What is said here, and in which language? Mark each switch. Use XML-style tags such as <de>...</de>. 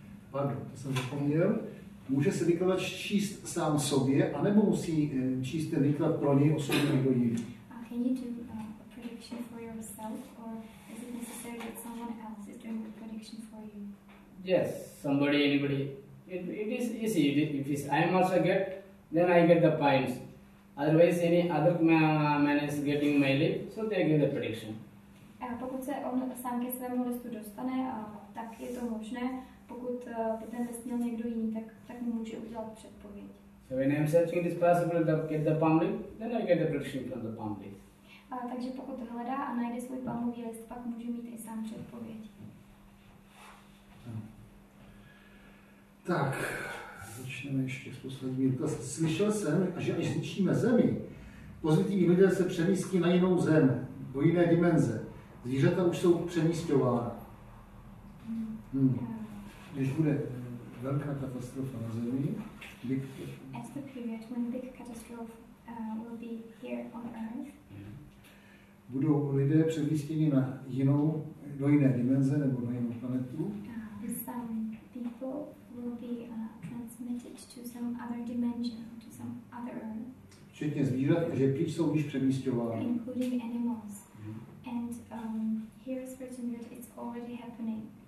<cs>Pardon, to jsem zapomněl. Může se vykladač číst sám sobě, anebo musí číst ten výklad pro něj osobně nebo jiný?</cs> <en>Can you do a prediction for yourself, or is it necessary that someone else is doing the prediction for you? Yes, somebody, anybody. It is easy. If I am also get, then I get the points. Otherwise, any other man is getting my list, so they give the prediction.</en> <cs>Pokud se on sám ke svému listu dostane, tak je to možné. Pokud by ten list měl někdo jiný, tak mu může udělat předpověď.</cs> <en>So when I am searching, it is possible to get the palm leaf, then I get the prediction from the palm leaf.</en> <cs>Takže pokud hledá a najde svůj palmový list, pak může mít i sám předpověď. Tak, začneme ještě s poslední. Slyšel jsem, že až zničíme zemi, pozitivní lidé se přemístí na jinou zem, do jiné dimenze. Zvířata už jsou přemístěvána. Když bude velká katastrofa na zemi,</cs> <en>big as the period when big catastrophe will be here on Earth.</en> <cs>Budou lidé přemístěni na jinou, do jiné dimenze nebo na jinou planetu.</cs> <en>Some people will be transmitted to some other dimension, to some other Earth.</en> <cs>Včetně zvířat, že pryč jsou již přemístěvána.</cs> <en>Including animals. And here is written that it's already happening.</en>